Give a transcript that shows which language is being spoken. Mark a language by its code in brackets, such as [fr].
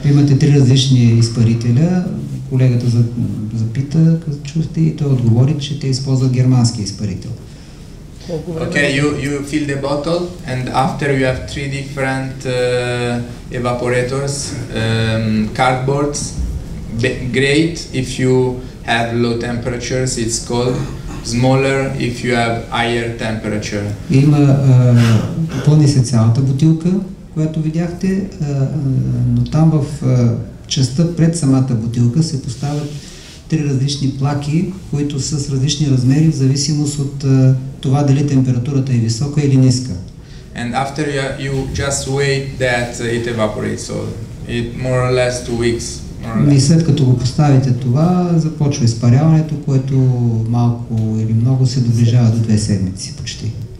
[bg] Имате три различни изпарителя. Колегата запита, чухте, и той отговори, че те използват германски изпарител. [en] Okay, you fill the bottle and after you have three different evaporators, cardboards, great if you have low temperatures, it's cold, smaller if you have higher temperature. [bg] Има, пълни се цялата бутилка, която видяхте, но там в частта пред самата бутилка се поставят три различни плаки, които са с различни размери в зависимост от това дали температурата е висока или ниска. [en] And after you just wait that it evaporates, so it more or less 2 weeks. [bg] И след като го поставите това, започва изпаряването, което малко или много се доближава до 2 седмици почти.